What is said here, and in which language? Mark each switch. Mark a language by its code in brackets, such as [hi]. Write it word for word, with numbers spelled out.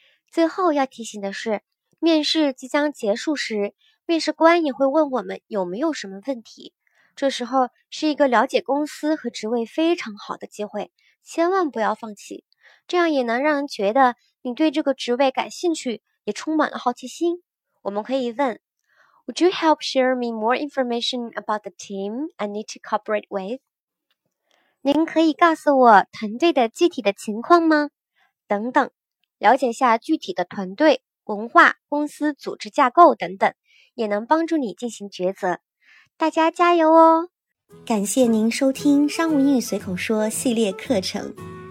[zh] 最后要提醒的是，面试即将结束时，面试官也会问我们有没有什么问题。这时候是一个了解公司和职位非常好的机会，千万不要放弃。这样也能让人觉得你对这个职位感兴趣，也充满了好奇心。我们可以问 [en] Would you help share me more information about the team I need to cooperate with? [zh] 您可以告诉我团队的具体的情况吗？等等，了解下具体的团队、文化、公司组织架构等等，也能帮助你进行抉择。大家加油哦！感谢您收听商务英语随口说系列课程。